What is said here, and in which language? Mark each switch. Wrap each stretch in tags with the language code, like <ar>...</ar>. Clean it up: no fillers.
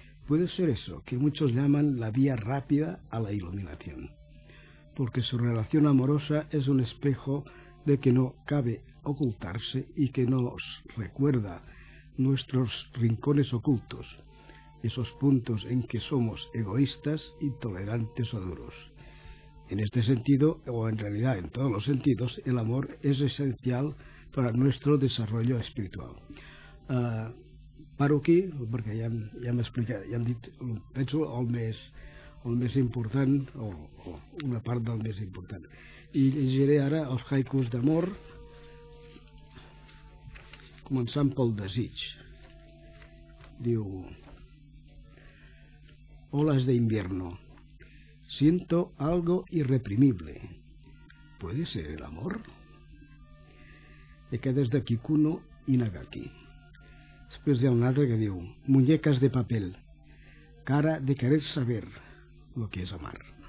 <es>Puede ser eso, que muchos llaman la vía rápida a la iluminación, porque su relación amorosa es un espejo de que no cabe ocultarse y que nos recuerda nuestros rincones ocultos, esos puntos en que somos egoístas, intolerantes o duros. En este sentido, o en realidad en todos los sentidos, el amor es esencial para nuestro desarrollo espiritual.</es> <ca>Paro aquí, perquè ja m'he explicat, ja hem dit, penso, el més important, o una part del més important. I llegiré ara els haikus d'amor, començant pel desig. Diu:</ca> <es>olas de invierno, siento algo irreprimible. ¿Puede ser el amor? Te quedes de Kikuno y Nagaki.</es> <ca>Després hi ha un altre que diu:</ca> <es>muñecas de papel, cara de querer saber lo que es amar.</es>